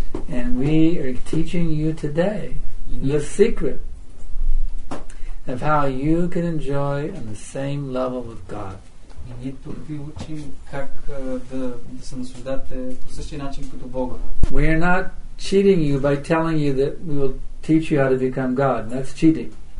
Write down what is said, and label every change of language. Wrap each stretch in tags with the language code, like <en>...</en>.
<en>And we are teaching you today the secret of how you can enjoy on the same level with God.</en> <bg>И ние тук ви учим как да се наслаждате по същия начин като Бога.</bg> <en>We are not cheating you by telling you that we will teach you how to become God. That's cheating.</en>